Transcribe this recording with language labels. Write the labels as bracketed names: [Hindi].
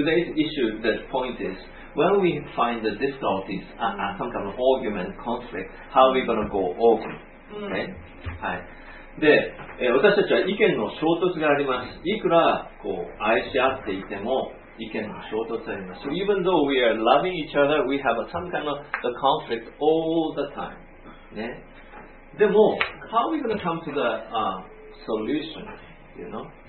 [English] Today's issue, the point is, when we find the difficulties, some kind of argument, conflict, how are we going to go over? Okay?、Mm. はい。 [Japanese] で、私たちは意見の衝突があります。いくら、こう、愛し合っていても、意見の衝突があります。 [English] So even though we are loving each other, we have some kind of the conflict all the time. ね。でも、how are we going to come to the solution, you know?